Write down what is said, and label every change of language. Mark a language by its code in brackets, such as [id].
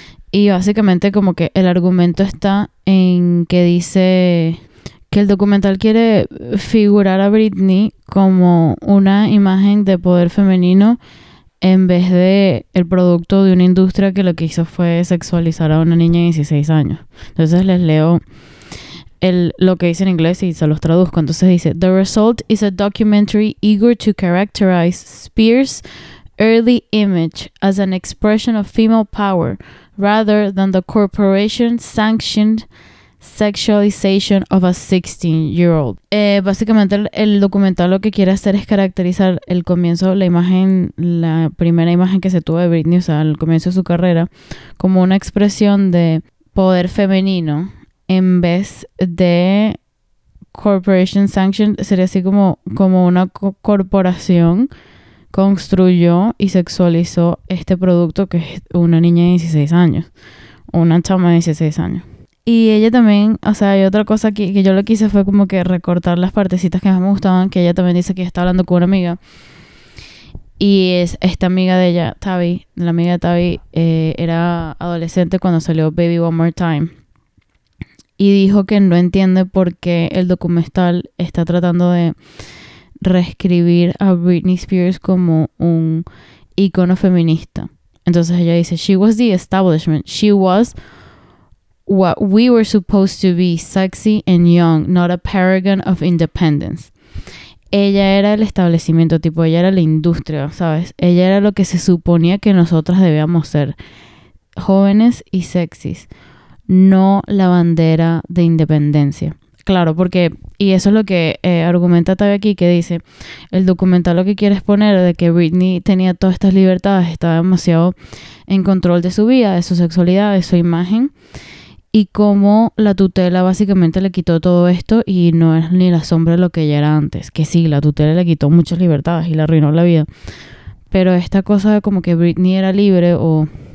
[es] Y básicamente como que el argumento está en que dice que el documental quiere figurar a Britney como una imagen de poder femenino en vez de el producto de una industria que lo que hizo fue sexualizar a una niña de 16 años. Entonces les leo lo que dice en inglés y se los traduzco. Entonces dice: [en] "The result is a documentary eager to characterize Spears' early image as an expression of female power rather than the corporation-sanctioned sexualization of a 16-year-old." [es] Básicamente el documental lo que quiere hacer es caracterizar el comienzo, la primera imagen que se tuvo de Britney, o sea, el comienzo de su carrera, como una expresión de poder femenino en vez de [en] corporation sanctioned. [es] Sería así como una corporación construyó y sexualizó este producto, que es una niña de 16 años, una chama de 16 años. Y ella también, o sea, hay otra cosa aquí que yo lo quise fue como que recortar las partecitas que más me gustaban, que ella también dice que está hablando con una amiga. Y es esta amiga de ella, Tavi, la amiga de Tavi, era adolescente cuando salió Baby One More Time. Y dijo que no entiende por qué el documental está tratando de reescribir a Britney Spears como un ícono feminista. Entonces ella dice: [en] "She was the establishment. She was what we were supposed to be, sexy and young, not a paragon of independence." [es] Ella era el establecimiento, tipo, ella era la industria, ¿sabes? Ella era lo que se suponía que nosotras debíamos ser, jóvenes y sexys, no la bandera de independencia. Claro, porque, y eso es lo que argumenta Tavi aquí, que dice, el documental lo que quiere exponer de que Britney tenía todas estas libertades, estaba demasiado en control de su vida, de su sexualidad, de su imagen, y cómo la tutela básicamente le quitó todo esto y no era ni la sombra de lo que ella era antes, que sí, la tutela le quitó muchas libertades y le arruinó la vida, pero esta cosa de como que Britney era libre o...